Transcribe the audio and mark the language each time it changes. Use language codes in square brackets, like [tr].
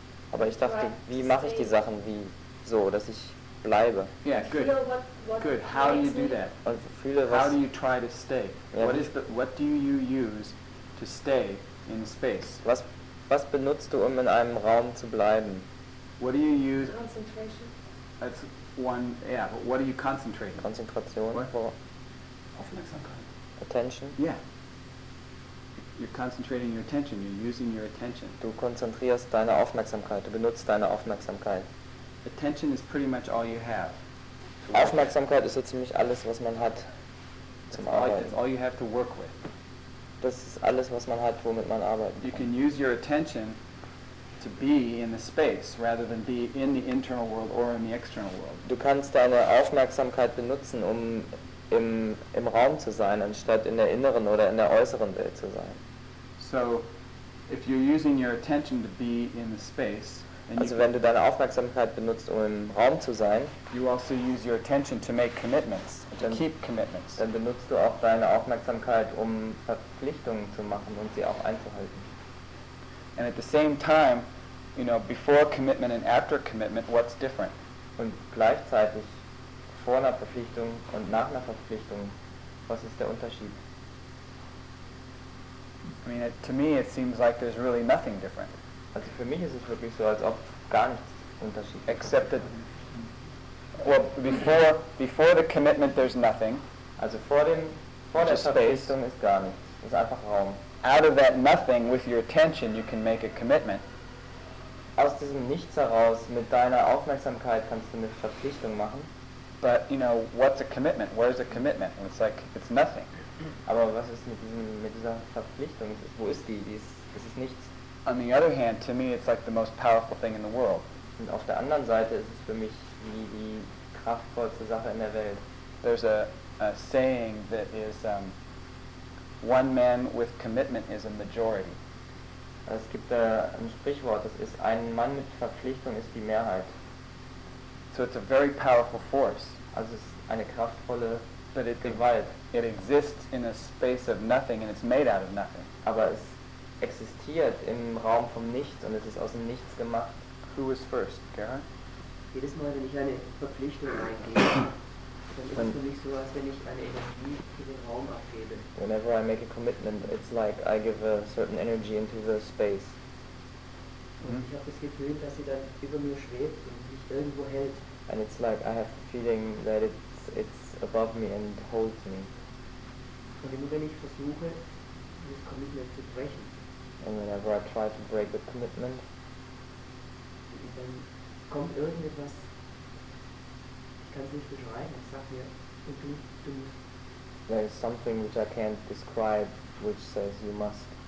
[de] Aber ich dachte, wie mache ich die Sachen wie so, dass ich bleibe? [en] Yeah, good. Good. How do you do that? How do you try to stay? What do you use to stay in space? Was benutzt du, um in einem Raum zu bleiben? What do you use? Concentration. That's one. Yeah. But what are you concentrating? [de] Konzentration. Aufmerksamkeit. [en] Attention. Yeah. You're concentrating your attention. You're using your attention. [de] Du konzentrierst deine Aufmerksamkeit. Du benutzt deine Aufmerksamkeit. [en] Attention is pretty much all you have. [de] Aufmerksamkeit ist so ziemlich alles, was man hat zum Arbeiten. [en] It's all you have to work with. [de] Das ist alles, was man hat, womit man arbeitet. [en] You can use your attention to be in the space rather than be in the internal world or in the external world. [de] Du kannst deine Aufmerksamkeit benutzen, um im Raum zu sein, anstatt in der inneren oder in der äußeren Welt zu sein. [en] So if you're using your attention to be in the space, [de] also wenn du deine Aufmerksamkeit benutzt, um im Raum zu sein, [en] you also use your attention to make commitments, to keep commitments. [de] Dann benutzt du auch deine Aufmerksamkeit, um Verpflichtungen zu machen und sie auch einzuhalten. [en] And at the same time, you know, before commitment and after commitment, what's different? [de] Und gleichzeitig vor einer Verpflichtung und nach einer Verpflichtung, was ist der Unterschied? [en] I mean, to me it seems like there's really nothing different. [de] Also für mich ist es wirklich so, als ob gar nichts Unterschied. [en] Except that, well, before the commitment there's nothing. [de] Also vor der Verpflichtung ist gar nichts. Es ist einfach Raum. [en] Out of that nothing, with your attention, you can make a commitment. [de] Aus diesem Nichts heraus, mit deiner Aufmerksamkeit, kannst du eine Verpflichtung machen. [en] But, you know, what's a commitment? Where is a commitment? And it's like, it's nothing. [de] Aber was ist mit dieser Verpflichtung? Wo ist die? Es ist nichts. [en] On the other hand, to me, it's like the most powerful thing in the world. [de] Und auf der anderen Seite ist es für mich die kraftvollste Sache in der Welt. [en] There's a saying that is, one man with commitment is a majority. [de] Es gibt ein Sprichwort, das ist, ein Mann mit Verpflichtung ist die Mehrheit. [en] So it's a very powerful force. [de] Also es ist eine kraftvolle Gewalt. [en] It exists in a space of nothing and it's made out of nothing. [de] Aber es existiert im Raum vom Nichts und es ist aus dem Nichts gemacht. [en] Who is first, Gerhard? [de] Jedes Mal, wenn ich eine Verpflichtung eingehe, dann ist es für mich so, als wenn ich eine Energie für den Raum abgebe. [en] Whenever I make a commitment, it's like I give a certain energy into the space. [de] Und ich habe das Gefühl, dass sie dann über mir schwebt und mich irgendwo hält. [en] And it's like I have the feeling that it's above me and holds me. [de] Und immer wenn ich versuche, das Commitment zu brechen, [en] and whenever I try to break the commitment, [de] dann kommt irgendetwas, ich kann es nicht beschreiben, ich sag mir, und du musst. [en] There is something which I can't describe, which says you must.